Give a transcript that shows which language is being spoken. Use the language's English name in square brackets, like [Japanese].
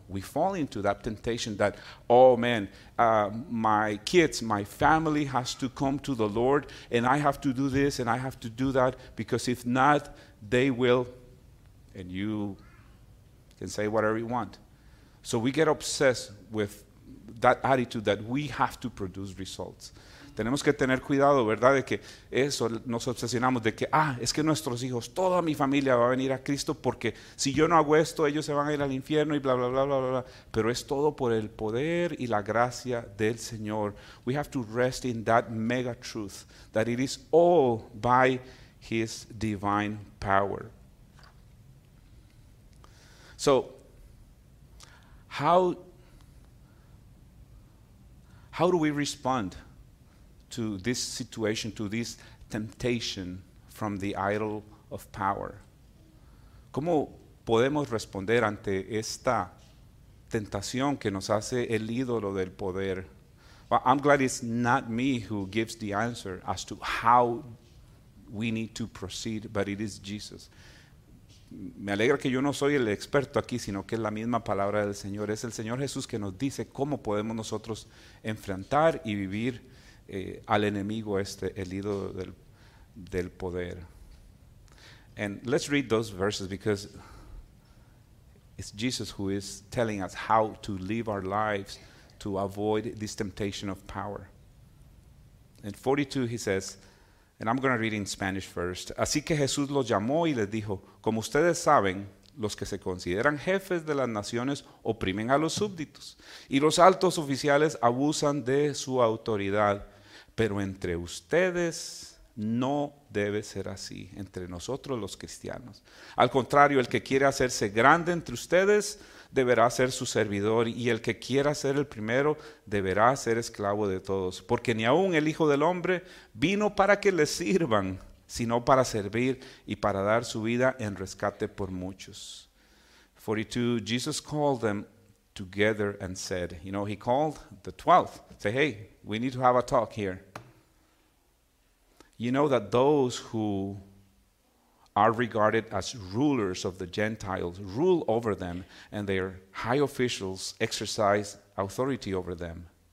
[English] We fall into that temptation that, oh man, my kids, my family has to come to the Lord and I have to do this and I have to do that because if not, they will. And you can say whatever you want. So we get obsessed with that attitude that we have to produce results. [Spanish] Tenemos que tener cuidado, ¿verdad? De que eso, nos obsesionamos de que, es que nuestros hijos, toda mi familia va a venir a Cristo porque si yo no hago esto, ellos se van a ir al infierno y bla, bla, bla, bla, bla, bla. Pero es todo por el poder y la gracia del Señor. [English] We have to rest in that mega truth, that it is all by His divine power. So, how do we respond to this situation, to this temptation from the idol of power? [Spanish] ¿Cómo podemos responder ante esta tentación que nos hace el ídolo del poder? [English] Well, I'm glad it's not me who gives the answer as to how we need to proceed, but it is Jesus. [Spanish] Me alegra que yo no soy el experto aquí, sino que es la misma palabra del Señor. Es el Señor Jesús que nos dice cómo podemos nosotros enfrentar y vivir al enemigo este, el ídolo del poder. [English] And let's read those verses because it's Jesus who is telling us how to live our lives to avoid this temptation of power. In 42 he says, and I'm going to read in Spanish first. [Spanish] Así que Jesús los llamó y les dijo, como ustedes saben, los que se consideran jefes de las naciones oprimen a los súbditos y los altos oficiales abusan de su autoridad. Pero entre ustedes no debe ser así, entre nosotros los cristianos. Al contrario, el que quiere hacerse grande entre ustedes deberá ser su servidor, y el que quiera ser el primero deberá ser esclavo de todos. Porque ni aun el Hijo del Hombre vino para que le sirvan, sino para servir y para dar su vida en rescate por muchos. [English] 42, Jesus called them together and said, you know, he called the 12, say, hey, we need to have a talk here. You know that those who are regarded as rulers of the Gentiles rule over them, and their high officials exercise authority over them.